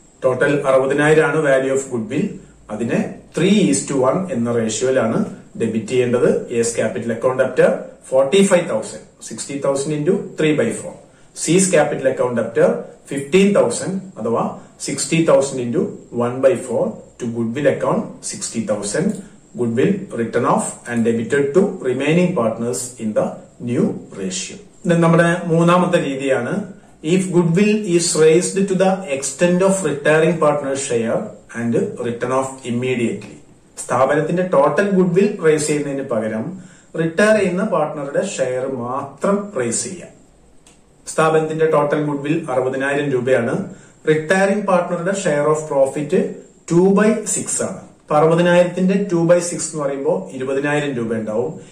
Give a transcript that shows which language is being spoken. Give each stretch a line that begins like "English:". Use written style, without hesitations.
Malayalam: Total 60,000 ആണ്
English: Value of goodwill.
Malayalam: അതിനെ 3:1 എന്ന റേഷ്യോയിലാണ് ഡെബിറ്റ് ചെയ്യേണ്ടത്.
English: S capital account after 45,000, 60,000 into 3/4. C's capital account after 15,000
Malayalam: അഥവാ
English: 60,000 into 1/4 to goodwill account 60,000. goodwill written off and debited to remaining partners in the new ratio. Then
Malayalam: nammude moonamatha reethiyana,
English: if goodwill is raised to the extent of retiring partner's share and written off immediately.
Malayalam: സ്ഥാപനത്തിന്റെ total goodwill raise ചെയ്യുന്നതിന് പകരം retire ചെയ്യുന്ന പാർട്ണറുടെ share മാത്രം raise ചെയ്യാം. സ്ഥാപനത്തിന്റെ total goodwill 60,000 രൂപയാണ്. Retiring പാർട്ണറുടെ share of profit 2/6 ആണ്. അപ്പൊ 60,000 2/6 എന്ന് പറയുമ്പോൾ 20,000 രൂപ ഉണ്ടാവും.